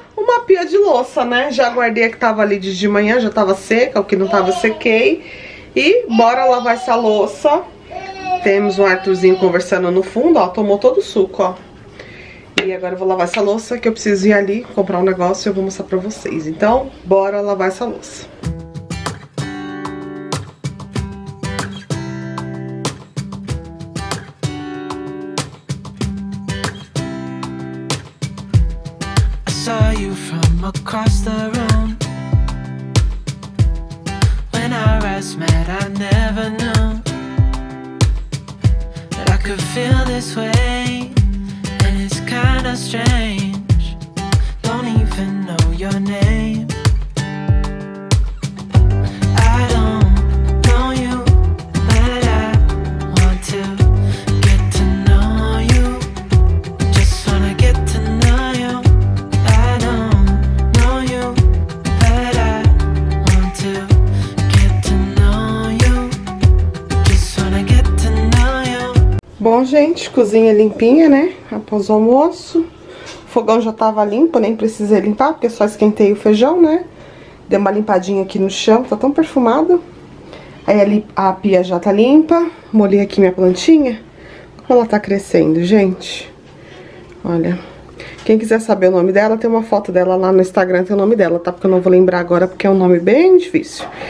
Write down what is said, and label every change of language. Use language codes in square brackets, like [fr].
[pt] Uma pia de louça, né? Já guardei a que tava ali de manhã, já tava seca, o que não tava, sequei. E bora lavar essa louça. Temos o Arthurzinho conversando no fundo, ó, tomou todo o suco, ó. E agora eu vou lavar essa louça, que eu preciso ir ali comprar um negócio e eu vou mostrar pra vocês. Então, bora lavar essa louça. [en] I saw you from across the room. When our eyes met, I never knew that I could feel this way. Kinda strange, don't even know your name. I don't know you, but I want to get to know you. Just wanna get to know you. I don't know you, but I want to get to know you. Just wanna get to know you. [pt] Bom, gente, cozinha limpinha, né? Após o almoço, o fogão já tava limpo, nem precisei limpar, porque só esquentei o feijão, né? Dei uma limpadinha aqui no chão, tá tão perfumado. Aí ali a pia já tá limpa, molhei aqui minha plantinha. Como ela tá crescendo, gente? Olha, quem quiser saber o nome dela, tem uma foto dela lá no Instagram, tem o nome dela, tá? Porque eu não vou lembrar agora, porque é um nome bem difícil.